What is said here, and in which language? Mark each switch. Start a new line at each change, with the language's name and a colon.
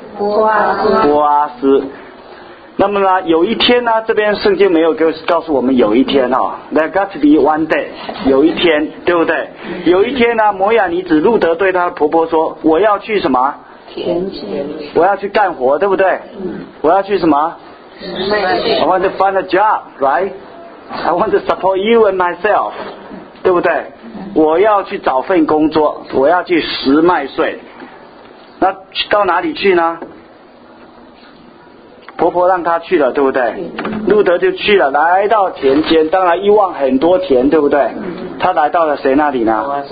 Chinese: 波阿斯。那么呢，有一天呢，这边圣经没有告诉我们有一天哈。
English: There got to be one day，
Chinese: 有一天，对不对？有一天呢，摩亚女子路德对她的婆婆说：“我要去什么？” 田间，我要去干活，对不对？嗯、我要去什么 ？
English: I want to find a job, right? I want to support you and myself,
Chinese: 对不对？我要去找份工作，我要去拾麦穗。那到哪里去呢？婆婆让她去了，对不对？路德就去了，来到田间，当然一望很多田，对不对？他来到了谁那里呢？